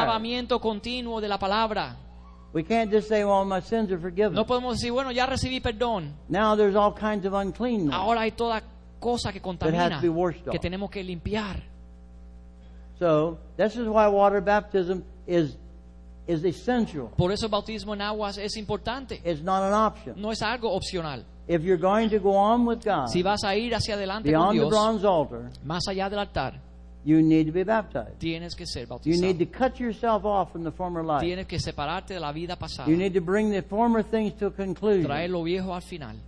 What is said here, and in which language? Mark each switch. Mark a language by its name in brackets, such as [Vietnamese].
[Spanish] Un lavamiento continuo de la palabra. [English] We can't just say, "Well, my sins are forgiven." [Spanish] No podemos decir, bueno, ya recibí perdón. [English] Now there's all kinds of uncleanness. [Spanish] Ahora hay toda cosa que contamina. [English] That has to be washed off. [Spanish] Que tenemos que limpiar. [English] So this is why water baptism is essential. [Spanish] Por eso el bautismo en aguas es importante. [English] It's not an option. [Spanish] No es algo opcional. [English] If you're going to go on with God, [Spanish] si vas a ir hacia adelante [English] beyond [Spanish] con Dios, [English] the bronze altar, [Spanish] más allá del altar. [English] You need to be baptized. [Spanish] Tienes que ser bautizado. [English] You need to cut yourself off from the former life. [Spanish] Tienes que separarte de la vida pasada. [English] You need to bring the former things to a conclusion. [Spanish] Trae lo viejo al final.